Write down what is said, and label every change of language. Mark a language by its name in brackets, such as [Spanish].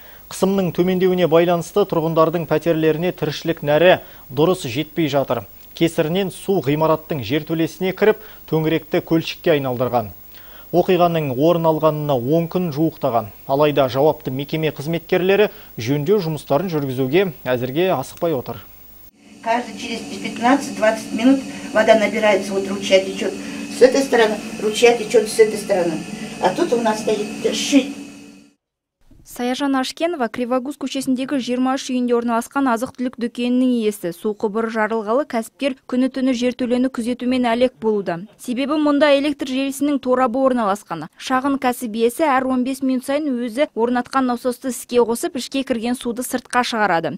[Kazakh] Қысымның төмендеуіне байланысты тұрғындардың пәтерлеріне тіршілік нәрі дұрыс жетпей жатыр. Кесірінен су ғимараттың жертөлесіне кіріп, төңіректі көлшікке айналдырған. Оқиғаның орын алғанына 10 күн жуықтаған. Алайда жауапты мекеме қызметкерлері жөндеу жұмыстарын жүргізуге әзірге асықпай отыр. [Russian] Каждый через 15-20 минут вода набирается, вот ручья течет с этой стороны, ручья течет с этой стороны. А тут у нас стоит шить. [Kazakh] Саяжан Ашкенова Кривогуз көшесіндегі 23 үйінде орналасқан азық-түлік дүкенінің иесі. Су құбыры жарылғалы кәсіпкер күні-түні жертөлені күзетумен әлек болуда. Себебі мұнда электр желісінің торабы орналасқаны. Шағын кәсіп иесі әр 15 минут сайын өзі орнатқан насосты іске қосып, ішке кірген суды сыртқа шығарады.